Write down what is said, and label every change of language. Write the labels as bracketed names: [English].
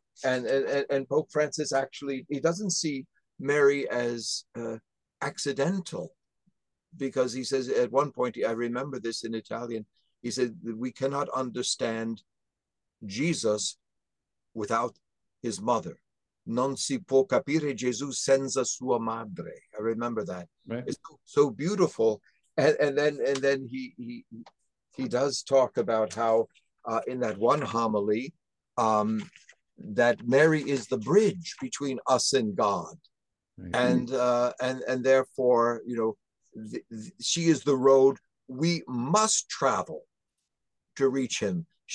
[English] And Pope Francis actually, he doesn't see Mary as accidental, because he says at one point, I remember this in Italian, he said, we cannot understand Jesus without his mother. [Italian] Non si può capire Gesù senza sua madre. [English] I remember that. Right. It's so beautiful. And then he does talk about how in that one homily that Mary is the bridge between us and God. Mm-hmm. And therefore, you know, she is the road we must travel to reach him.